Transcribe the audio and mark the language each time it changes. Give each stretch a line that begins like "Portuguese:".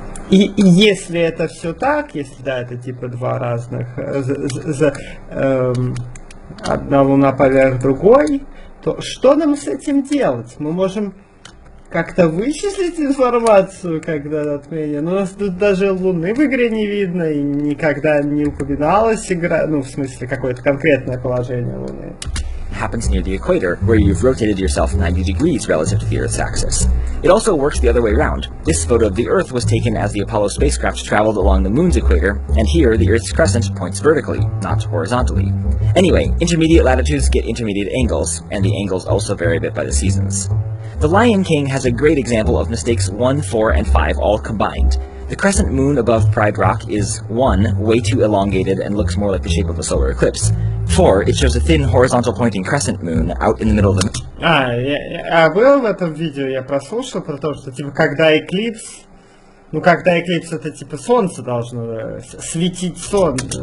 Russian: И если это все так, если да, это типа два разных, одна луна поверх другой, то что нам с этим делать? Мы можем как-то вычислить информацию, когда затмение, но у нас тут даже луны в игре не видно и никогда не упоминалась игра, ну в смысле какое-то конкретное положение луны.
English: Happens near the equator, where you've rotated yourself 90 degrees relative to the Earth's axis. It also works the other way around. This photo of the Earth was taken as the Apollo spacecraft traveled along the moon's equator, and here the Earth's crescent points vertically, not horizontally. Anyway, intermediate latitudes get intermediate angles, and the angles also vary a bit by the seasons. The Lion King has a great example of mistakes 1, 4, and 5 all combined. The crescent moon above Pride Rock is 1, way too elongated and looks more like the shape of a solar eclipse. 4, it shows a thin horizontal pointing crescent moon out in the middle of the...
Russian: А было в этом видео, я прослушал про то, что типа когда эклипс... Ну когда эклипс, это типа солнце должно светить солнце.